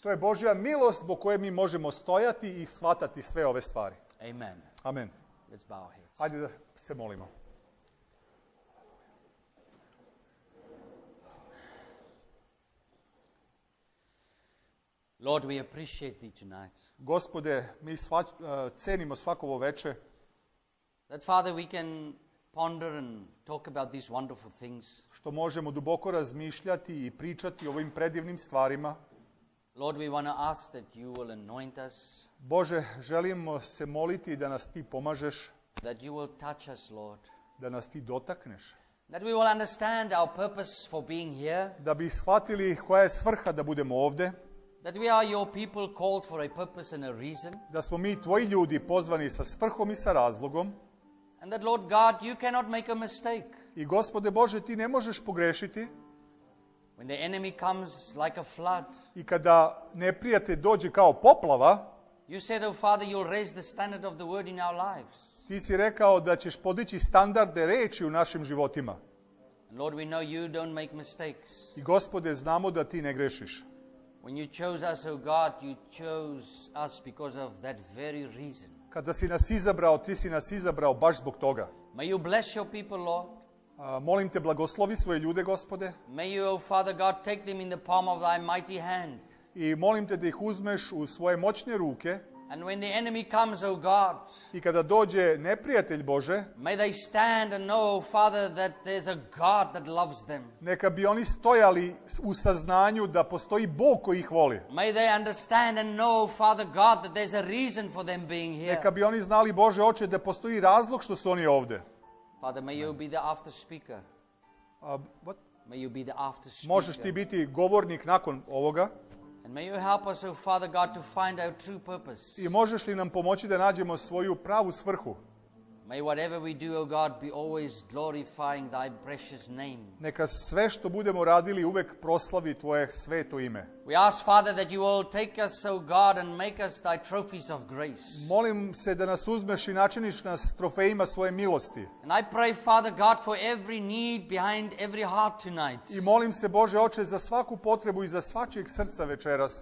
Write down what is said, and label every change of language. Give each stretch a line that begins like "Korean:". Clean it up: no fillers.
Serbian: To je Božja milost zbog koje mi možemo stojati i shvatati sve ove stvari. Amen. Amen.
English: Let's bow our heads.
Serbian: Hajde da se molimo.
English: Lord, we appreciate thee tonight.
Serbian: Gospode, mi cenimo svako ovo veče.
English: That Father, we can ponder and talk about these wonderful things.
Serbian: Što možemo duboko razmišljati i pričati o ovim predivnim stvarima.
English: Lord, we want to ask that you will anoint us.
Serbian: Bože, želimo se moliti da nas ti pomažeš.
English: That you will touch us, Lord.
Serbian: Da nas ti dotakneš.
English: That we will understand our purpose for being here.
Serbian: Da bi shvatili koja je svrha da budemo ovdje.
English: That we are your people called for a purpose and a reason.
Serbian: Da smo mi tvoji ljudi pozvani sa svrhom i sa razlogom.
English: And that Lord God, you cannot make a mistake.
Serbian: I Gospode Bože, ti ne možeš pogrešiti.
English: When the enemy comes like a flood.
Serbian: I kada neprijatelj dođe kao poplava.
English: You said, O Father, you'll raise the standard of the word in our lives.
Serbian: Ti si rekao da ćeš podići standarde reči u našim životima.
English: And Lord, we know you don't make mistakes.
Serbian: I Gospode, znamo da ti ne grešiš.
English: When you chose us, O God, you chose us because of that very reason.
Serbian: Kada si nas izabrao, ti si nas izabrao baš zbog toga.
English: May you bless your people, Lord.
Serbian: Molim te, blagoslovi svoje ljude, Gospode.
English: May you, O Father God, take them in the palm of thy mighty hand.
Serbian: I molim te da ih uzmeš u svoje moćne ruke.
English: And when the enemy comes, O God.
Serbian: I kada dođe neprijatelj Bože.
English: May they stand and know, O Father, that there's a God that loves them.
Serbian: Neka bi oni stojali u saznanju da postoji Bog koji ih voli.
English: May they understand and know, O Father God, that there's a reason for them being here.
Serbian: Neka bi oni znali, Bože Oče, da postoji razlog što su oni ovdje.
English: Father, may you be the after speaker. What? May you be the after speaker.
Serbian: Možeš ti biti govornik nakon ovoga.
English: And may you help us, O Father God, to find our true purpose.
Serbian: I možeš li nam pomoći da nađemo svoju pravu svrhu?
English: May whatever we do, O God, be always glorifying thy precious name.
Serbian: Neka sve što budemo radili uvek proslavi tvoje sveto ime.
English: We ask, Father, that you will take us, O God, and make us thy trophies of grace.
Serbian: Molim se da nas uzmeš i načiniš nas trofejima svoje milosti.
English: And I pray, Father God, for every need behind every heart tonight.
Serbian: I molim se, Bože Oče, za svaku potrebu i za svačijeg srca večeras.